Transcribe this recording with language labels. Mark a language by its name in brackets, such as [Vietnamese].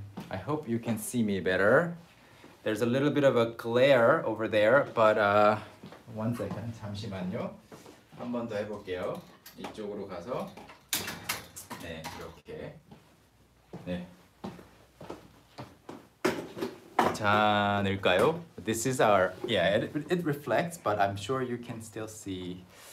[English] I hope you can see me better. There's a little bit of a glare over there, but 1 second. [Korean] 잠시만요. 한 번 더 해볼게요. 이쪽으로 가서 네 이렇게 네. 괜찮을까요? [English] This is our, it reflects, but I'm sure you can still see.